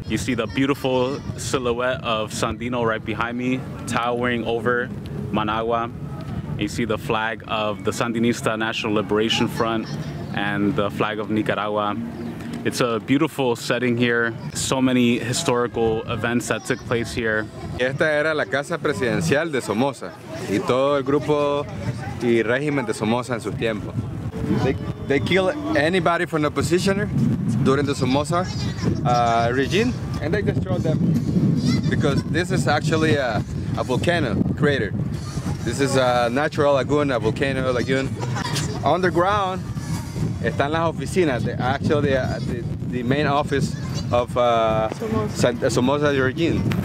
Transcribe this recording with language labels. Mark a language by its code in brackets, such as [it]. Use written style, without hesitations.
[en] You see the beautiful silhouette of Sandino right behind me, towering over Managua. And you see the flag of the Sandinista National Liberation Front and the flag of Nicaragua. It's a beautiful setting here. So many historical events that took place here. [es] Esta era la casa presidencial de Somoza y todo el grupo y régimen de Somoza en sus tiempos. [en] They kill anybody from the opposition during the Somoza regime, and they destroy them because this is actually a volcano crater. This is a natural lagoon, a volcano lagoon. Underground, están las oficinas, the main office of Somoza regime.